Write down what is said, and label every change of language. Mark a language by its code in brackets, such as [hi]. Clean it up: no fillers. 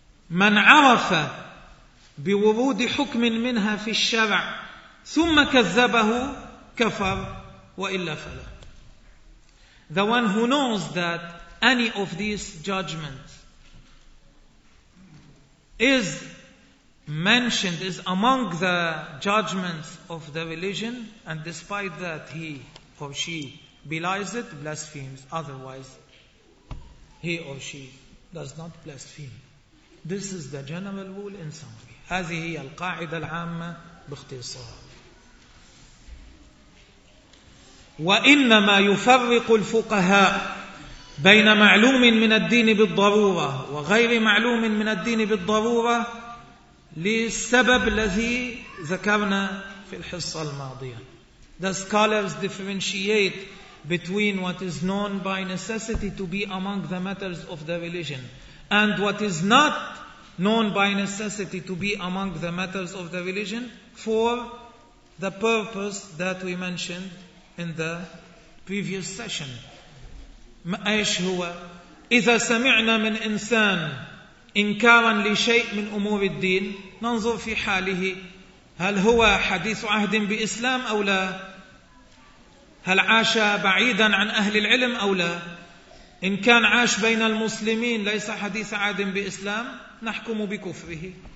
[ar] من عرف بورود حكم منها في الشرع ثم كذبه كفر وإلا فلا. [en] The one who knows that any of these judgments is mentioned, is among the judgments of the religion, and despite that he or she belies it, blasphemes. Otherwise, he or she does not blaspheme. This is the general rule in summary. [ar] هذه هي القاعدة العامة باختصار. وإنما يفرق الفقهاء بين معلوم من الدين بالضرورة وغير معلوم من الدين بالضرورة للسبب الذي ذكرنا في الحصة الماضية. [en] The scholars differentiate between what is known by necessity to be among the matters of the religion and what is not known by necessity to be among the matters of the religion for the purpose that we mentioned in the previous session. [ar] ما إيش هو؟ إذا سمعنا من إنسان إنكارا لشيء من أمور الدين ننظر في حاله, هل هو حديث عهد بإسلام أو لا؟ هل عاش بعيدا عن أهل العلم أو لا؟ إن كان عاش بين المسلمين ليس حديث عهد بإسلام؟ نحكم بكفره.